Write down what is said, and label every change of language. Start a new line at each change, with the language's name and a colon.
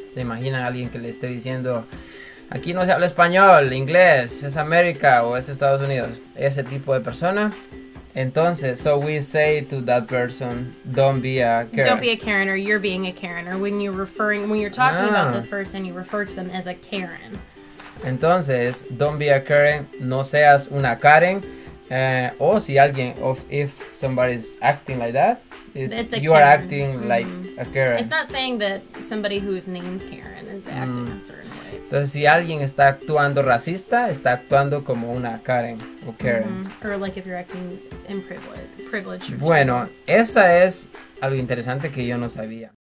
Spanish: ¿Se imagina alguien que le esté diciendo aquí no se habla español, inglés, es América o es Estados Unidos? Ese tipo de persona.
English: Entonces, so we say to that person, don't be a Karen. Don't be a Karen, or you're being a Karen. Or when you're referring, when you're talking about this person, you refer to them as a Karen.
Spanish: Entonces,
English: don't be a Karen,
Spanish: no seas una Karen.
English: Or see alguien of if somebody's acting like that, is you are acting like a Karen. It's not saying that somebody who's named Karen is acting a certain way.
Spanish: So si alguien está actuando racista, está actuando como una Karen o Karen.
English: Or like if you're acting in privilege.
Spanish: Bueno, esa es algo interesante que yo no sabía.